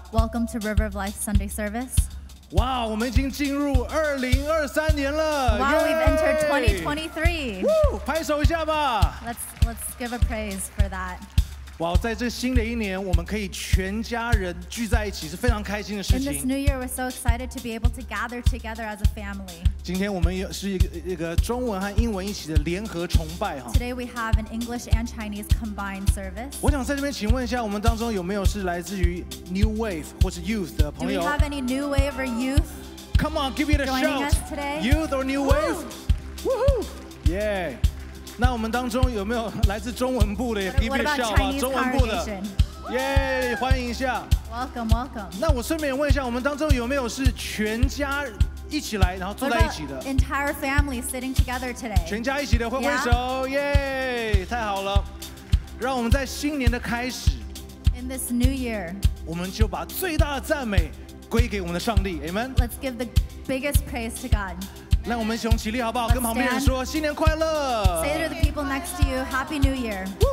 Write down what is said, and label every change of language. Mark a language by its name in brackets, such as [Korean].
[English] Welcome to River of Life Sunday Service. [Chinese] Wow, 我们已经进入2023年了。 [English] Wow,、Yay! we've entered 2023. Woo, [Chinese] 拍手一下吧。 [English] Let's give a praise for that. [Chinese] Wow, 在这新的一年，我们可以全家人聚在一起，是非常开心的事情。 [English] In this new year, we're so excited to be able to gather together as a family. [Chinese] 今天我们是一个中文和英文一起的联合崇拜哈。 [English] Today we have an English and Chinese combined service. [Chinese] 我想在这边请问一下，我们当中有没有是来自于 New Wave 或是 Youth 的朋友 [English] ？Do we have any New Wave or Youth? Come on, give it a shout. Joining us today, Youth or New Wave? Woohoo! Yeah. [Chinese] 那我们当中有没有来自中文部的 [English] ？Give me a shout 啊， [Chinese] 中文部的，耶、yeah, ，欢迎一下。 [English] Welcome, welcome。 [Chinese] 那我顺便问一下，我们当中有没有是全家一起来，然后坐在一起的 [English] ？Entire family sitting together today。 [Chinese] 全家一起的挥挥手，耶、yeah, ，太好了。让我们在新年的开始 [English] ，In this new year， [Chinese] 我们就把最大的赞美归给我们的上帝 ，Amen。 [English] Let's give the biggest praise to God。 [Chinese] 让我们一起用起立好不好？跟旁边人说新年快乐。 [English] Say to the people next to you, Happy New Year.